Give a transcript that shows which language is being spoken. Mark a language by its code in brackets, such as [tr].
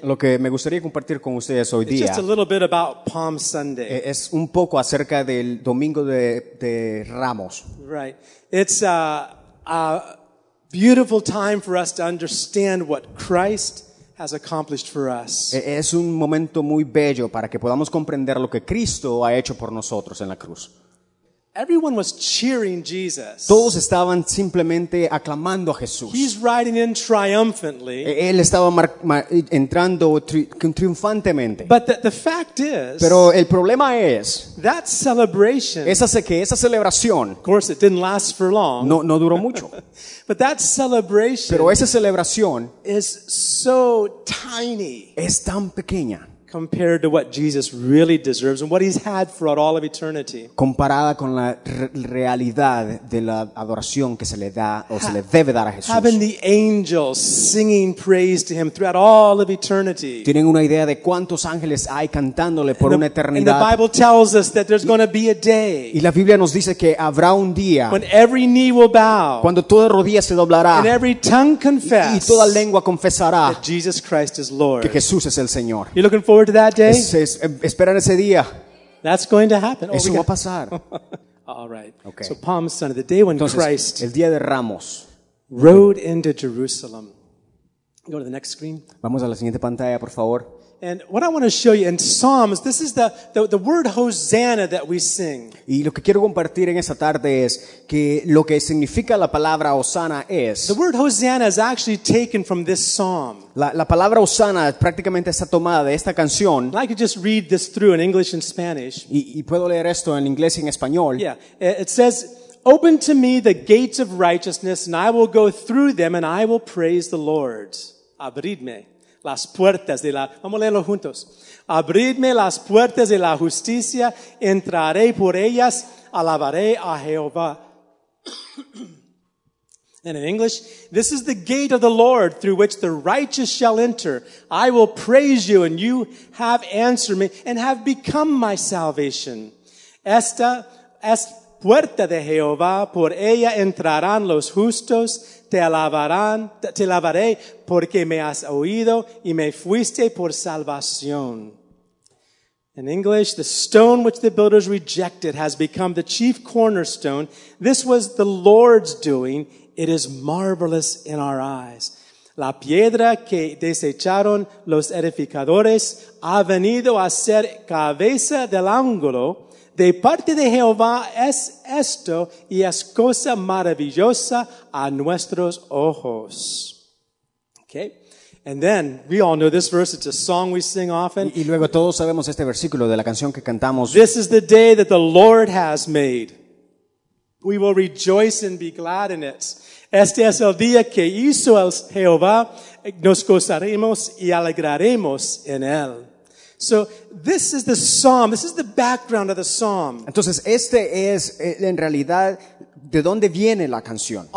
[es] lo que me gustaría compartir con ustedes hoy día, [en] just a little bit about Palm Sunday. [es] Es un poco acerca del Domingo de Ramos. [en] Right. It's a beautiful time for us to understand what Christ has accomplished for us. [es] Es un momento muy bello para que podamos comprender lo que Cristo ha hecho por nosotros en la cruz. [en] Everyone was cheering Jesus. [es] Todos estaban simplemente aclamando a Jesús. [en] He's riding in triumphantly. [es] Él estaba entrando triunfantemente. [en] But the fact is, [es] pero el problema es, [en] that celebration, [es] esa celebración, [en] of course it didn't last for long. [es] No duró mucho. [en] But that celebration, [es] pero esa celebración, [en] is so tiny. [es] Es tan pequeña. [en] Compared to what Jesus really deserves and what he's had throughout all of eternity. [es] Comparada con la realidad de la adoración que se le da o se le debe dar a Jesús. [en] Having the angels singing praise to him throughout all of eternity. [es] Tienen una idea de cuántos ángeles hay cantándole por una eternidad. [en] And the Bible tells us that there's going to be a day. [es] Y la Biblia nos dice que habrá un día. [en] When every knee will bow. [es] Cuando toda rodilla se doblará. [en] And every tongue confess. [es] Y toda lengua confesará. [en] That Jesus Christ is Lord. [es] Que Jesús es el Señor. [en] You're looking forward to that day? [es] Esperan ese día. [en] That's going to happen. [es] Eso va a pasar. [en] All right. Okay. So Palm Sunday, the day when [es] entonces, [en] Christ [es] el día de Ramos [en] rode into Jerusalem. Go to the next screen. [es] Vamos a la siguiente pantalla, por favor. [en] And what I want to show you in Psalms, this is the word Hosanna that we sing. [es] Y lo que quiero compartir en esta tarde es que lo que significa la palabra Hosanna es. [en] The word Hosanna is actually taken from this Psalm. [es] La palabra Hosanna prácticamente está tomada de esta canción. [en] I could just read this through in English and Spanish. [es] Y puedo leer esto en inglés y en español. [en] Yeah, it says, "Open to me the gates of righteousness, and I will go through them, and I will praise the Lord." [es] Abridme. Las puertas de la, vamos a leerlo juntos. Abridme las puertas de la justicia, entraré por ellas, alabaré a Jehová. [en] And in English, this is the gate of the Lord through which the righteous shall enter. I will praise you and you have answered me and have become my salvation. [es] Esta es puerta de Jehová, por ella entrarán los justos. Te alabaré porque me has oído y me fuiste por salvación. [en] In English, the stone which the builders rejected has become the chief cornerstone. This was the Lord's doing. It is marvelous in our eyes. [es] La piedra que desecharon los edificadores ha venido a ser cabeza del ángulo. De parte de Jehová es esto y es cosa maravillosa a nuestros ojos. [en] Okay. And then, we all know this verse, it's a song we sing often. [es] Y luego todos sabemos este versículo de la canción que cantamos. [en] This is the day that the Lord has made. We will rejoice and be glad in it. [es] Este es el día que hizo el Jehová, nos gozaremos y alegraremos en él. [en] So this is the psalm. This is the background of the psalm. [es] Entonces este es en realidad de dónde viene la canción.